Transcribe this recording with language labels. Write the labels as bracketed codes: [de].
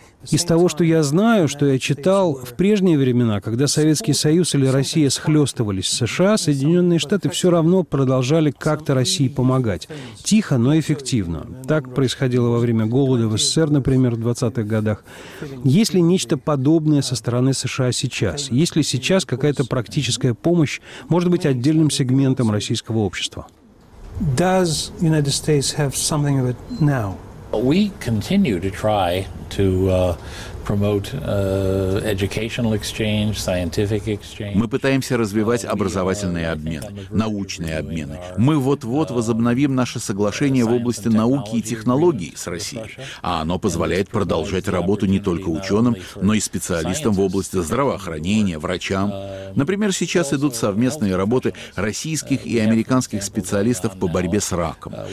[ru] Из того, что я знаю, что я читал, в прежние времена, когда Советский Союз или Россия схлестывались с США, Соединенные Штаты все равно продолжали как-то России помогать. Тихо, но эффективно. Так происходило во время голода в СССР, например, в 20-х годах. Есть ли нечто подобное со стороны США сейчас? Есть ли сейчас какая-то практическая помощь, может быть, отдельным сегментом российского общества? [en] Does the United States have something of it now? We continue to try to promote educational exchange, scientific exchange. [ru] Мы пытаемся развивать образовательный обмен, научные обмены. Мы вот-вот возобновим наше соглашение в области науки и технологий с Россией, а оно позволяет продолжать работу не только ученым, но и специалистам в области здравоохранения, врачам. Например, сейчас идут совместные работы российских и американских специалистов по борьбе с раком.